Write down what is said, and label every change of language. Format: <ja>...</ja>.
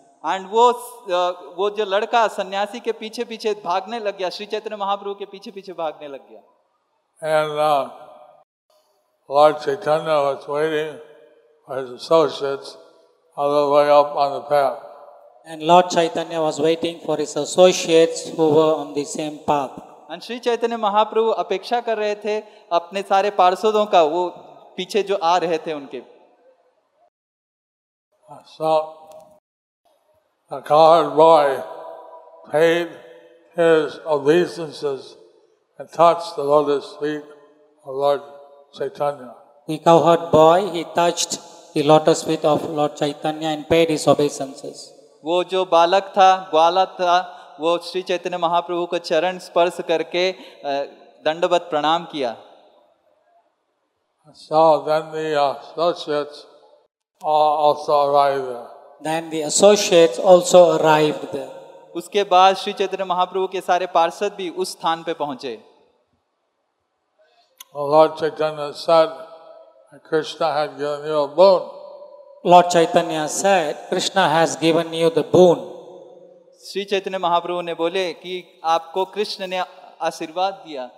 <hi>And वो जो लड़का सन्यासी के पीछे पीछे भागने लग गया श्री चैतन्य महाप्रभु के पीछे पीछे भागने लग गया.</hi> <en>And Lord Chaitanya was waiting for his associates all the way up on the path. And Lord Chaitanya was waiting for his associates who were on the same path.</en> <hi>और श्री चैतन्य महाप्रभु अपेक्षा कर रहे थे अपने सारे पार्षदों का वो पीछे जो आ रहे थे उनके.</hi> <en>So, the cowherd boy paid his obeisances and touched the lotus feet of Lord Chaitanya. The cowherd boy, he touched the lotus feet of Lord Chaitanya and paid his obeisances.</en> <hi>वो जो बालक था ग्वाला था वो श्री चैतन्य महाप्रभु को चरण स्पर्श करके दंडवत प्रणाम किया.</hi> <en>So then the associates also arrived there. Then the associates also arrived there.</en> <hi>उसके बाद श्री चैतन्य महाप्रभु के सारे पार्षद भी उस स्थान पे पहुंचे.</hi> <en>Lord Chaitanya said, Krishna had given you a boon. Lord Chaitanya said, Krishna has given you the boon.</en> <hi>Shri Chaitanya Mahaprabhu ने बोले कि आपको कृष्ण ने आशीर्वाद दिया.</hi>